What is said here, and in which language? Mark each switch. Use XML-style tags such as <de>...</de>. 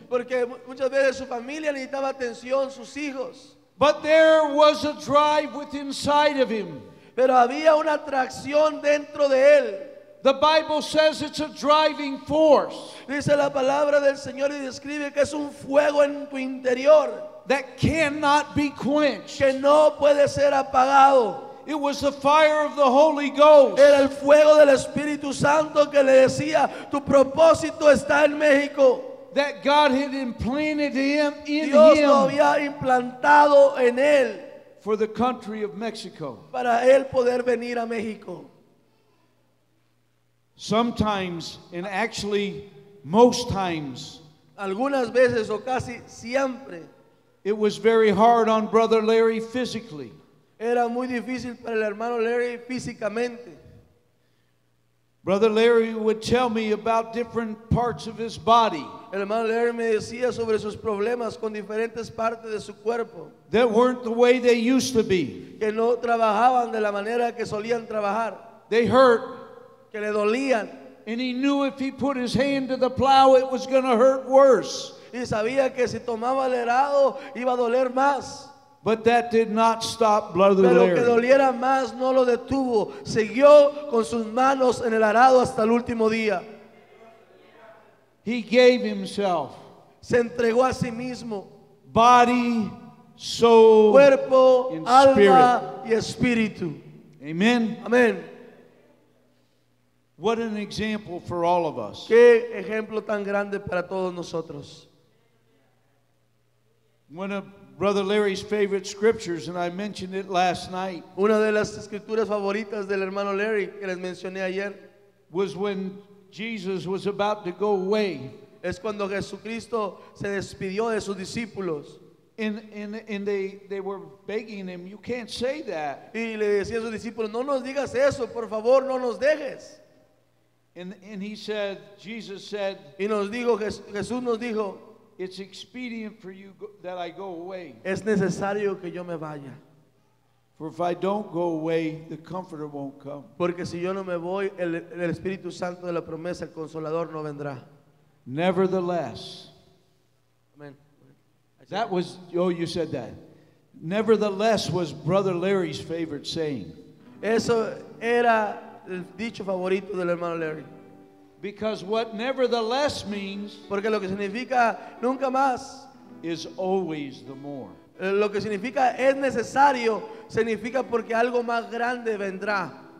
<es>Porque muchas veces su familia necesitaba atención, sus hijos.</es> <en>But there was a drive within inside of him.</en> <es>Pero había una atracción dentro de él.</es> <en>The Bible says it's a driving force.</en> <es>Dice la palabra del Señor y describe que es un fuego en tu interior.</es> <en>That cannot be quenched.</en> <es>Que no puede ser apagado.</es> <en>It was the fire of the Holy Ghost.</en> <es>Era el fuego del Espíritu Santo que le decía, tu propósito está en México.</es> <en>That God had implanted him in</en> <es>Dios</es> <en>him</en> <es>lo había implantado en él</es> <en>for the country of Mexico.</en> <es>Para él poder venir a México.</es> <en>Sometimes, and actually most times,</en> <es>algunas veces o casi siempre,</es> <en>it was very hard on Brother Larry physically.</en> <es>Era muy difícil para el hermano Larry físicamente.</es> <en>Brother Larry would tell me about different parts of his body.</en> <es>El hermano Larry me decía sobre sus problemas con diferentes partes de su cuerpo.</es> <en>That weren't the way they used to be.</en> <es>Que no trabajaban de la manera que solían trabajar.</es> <en>They hurt.</en> <es>Que le dolían.</es> <en>And he knew if he put his hand to the plow, it was going to hurt worse.</en> <es>Y sabía que si tomaba el arado, iba a doler más.</es> <en>But that did not stop Brother Larry.</en> <es>Pero que doliera más no lo detuvo. Siguió con sus manos en el arado hasta el último día.</es> <en>He gave himself.</en> <es>Se entregó a sí mismo.</es> <en>Body, soul,</en> <es>cuerpo,</es> <en>and spirit.</en> <es>Alma y espíritu.</es> <en>Amen.</en> <es>Amen.</es> <en>What an example for all of us.</en> <es>Qué ejemplo tan grande para todos nosotros.</es> <en>When a Brother Larry's favorite scriptures, and I mentioned it last night.</en> <es>Una de las escrituras favoritas del hermano Larry que les mencioné ayer</es> <en>was when Jesus was about to go away.</en> <es>Es cuando Jesucristo se despidió de sus discípulos.</es> <en>And they were begging him, "You can't say that."</en> <es>Y le decía a sus discípulos, "No nos digas eso, por favor, no nos dejes."</es> <en>And he said, Jesus said.</en> <es>Y nos dijo Jesús nos dijo.</es> <en>It's expedient for you that I go away.</en> <es>Es necesario que yo me vaya.</es> <en>For if I don't go away, the Comforter won't come.</en> <es>Porque si yo no me voy, el Espíritu Santo de la promesa, el Consolador, no vendrá.</es> <en>Nevertheless.</en> <es>Amen.</es> <en>That was, oh, you said that. Nevertheless was Brother Larry's favorite saying.</en> <es>Eso era el dicho favorito del hermano Larry.</es> <en>Because what nevertheless means,</en> <es>porque lo que significa nunca más,</es> <en>is always the more.</en> <es>Lo que significa es necesario, significa porque algo más grande vendrá.</es>